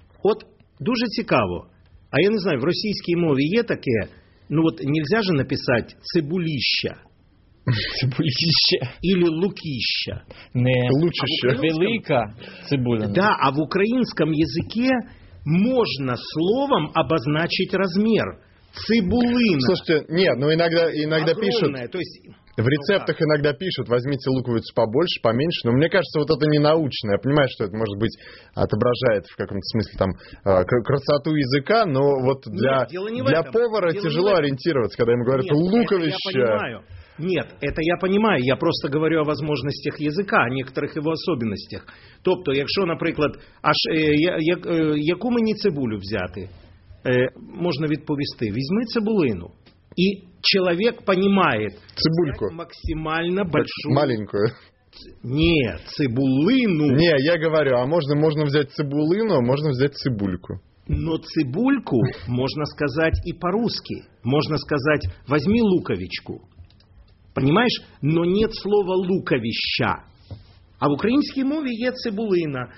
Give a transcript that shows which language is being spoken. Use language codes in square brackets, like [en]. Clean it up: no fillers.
[uk] От, дуже цікаво, а я не знаю, в російській мові є таке, ну от, [ru] нельзя же [uk] написати цибуліща. Цибуліща. [ru] Или лукіща. Не. Лучіща. [uk] Велика цибуляна. Да, а в українському язикі можна словом обозначити розмір. Цибулина. [ru] Слушайте, [uk] ні, ну іноді пишуть. [ru] То есть... В рецептах иногда пишут, возьмите луковицу побольше, поменьше, но мне кажется, вот это не научное. Я понимаю, что это, может быть, отображает в каком-то смысле там красоту языка, но вот для повара дело тяжело ориентироваться, когда ему говорят луковище. Нет, это я понимаю, я просто говорю о возможностях языка, о некоторых его особенностях. [uk] Тобто, якщо, наприклад, яку мені цибулю взяти, можно відповісти, візьми цибулину. [ru] И человек понимает. Цибульку. Максимально большую. Маленькую. Не, цибулину. Не, я говорю, а можно взять цибулину, а можно взять цибульку. Но цибульку можно сказать и по-русски. Можно сказать, возьми луковичку. Понимаешь? Но нет слова луковища. [uk] А в українській мові є цибулина.